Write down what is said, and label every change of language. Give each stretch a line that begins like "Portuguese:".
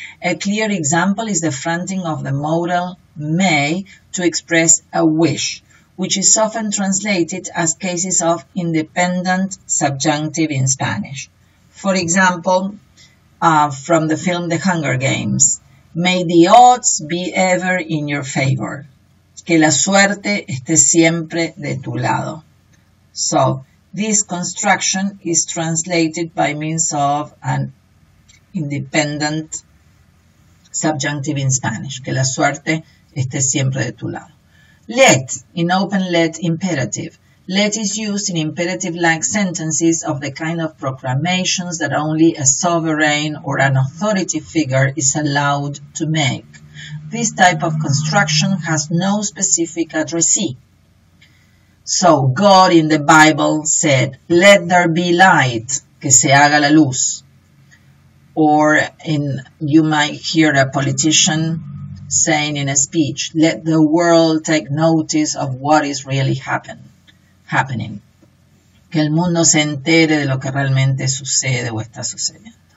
English: A clear example is the fronting of the modal may to express a wish, which is often translated as cases of independent subjunctive in Spanish. For example, from the film The Hunger Games, may the odds be ever in your favor.
Spanish: Que la suerte esté siempre de tu lado.
English: So, this construction is translated by means of an independent subjunctive in Spanish.
Spanish: Que la suerte esté siempre de tu lado.
English: Let, in open let imperative. Let is used in imperative-like sentences of the kind of proclamations that only a sovereign or an authority figure is allowed to make. This type of construction has no specific addressee. So, God in the Bible said, let there be light,
Spanish: que se haga la luz.
English: Or you might hear a politician saying in a speech, let the world take notice of what is really happening.
Spanish: Que el mundo se entere de lo que realmente sucede o está sucediendo.